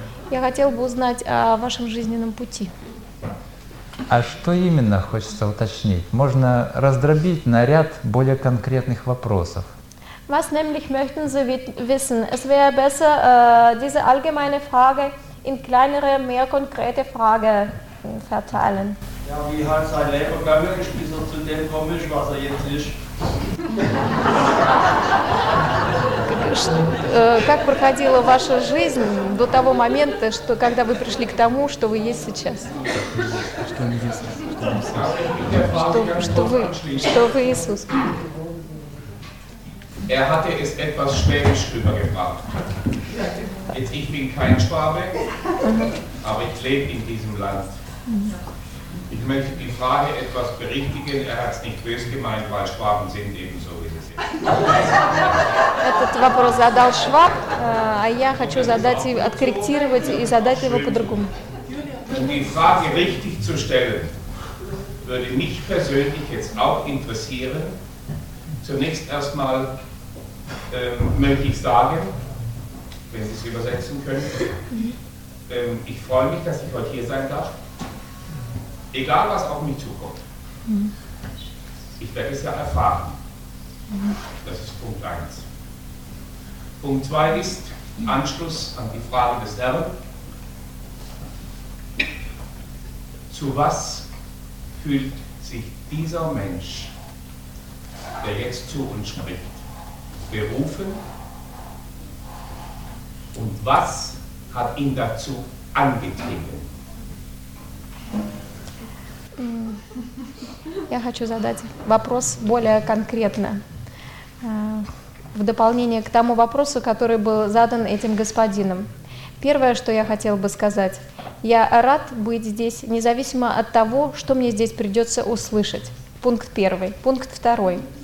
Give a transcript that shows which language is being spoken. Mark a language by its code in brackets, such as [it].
[ru] Я хотел бы узнать о вашем жизненном пути. А что именно хочется уточнить? Можно раздробить на ряд более конкретных вопросов. [de] Was nämlich möchten Sie wissen? Es wäre besser, diese allgemeine Frage in kleinere, mehr konkrete Frage verteilen. Ja, wie hat sein Leben gegangen, bis er zu dem gekommen ist, was er jetzt ist? [ru] Как проходила ваша жизнь до того момента, что когда вы пришли к тому, что вы есть сейчас? Что он Иисус? Что вы Иисус? [de] Hatte es etwas Schwäbisch rübergebracht. Jetzt, ich bin kein Schwabe, aber ich lebe in diesem Land. Ich möchte die Frage etwas berichtigen. Hat es nicht böse gemeint, weil Schwaben sind eben so, wie sie sind. [ru] Этот вопрос задал Шваб, а я хочу задать его, откорректировать и задать его по-другому. [de] Um die Frage richtig zu stellen, würde mich persönlich jetzt auch interessieren, zunächst erstmal möchte ich sagen, wenn Sie es übersetzen können, ich freue mich, dass ich heute hier sein darf. Egal, was auf mich zukommt, ich werde es ja erfahren. Das ist Punkt 1. Punkt 2 ist Anschluss an die Frage des Herrn. Zu was fühlt sich dieser Mensch, der jetzt zu uns spricht, berufen und was hat ihn dazu angetrieben? [ru] Я хочу задать вопрос более конкретно. В дополнение к тому вопросу, который был задан этим господином. Первое, что я хотел бы сказать, я рад быть здесь, независимо от того, что мне здесь придется услышать. Пункт первый. Пункт второй.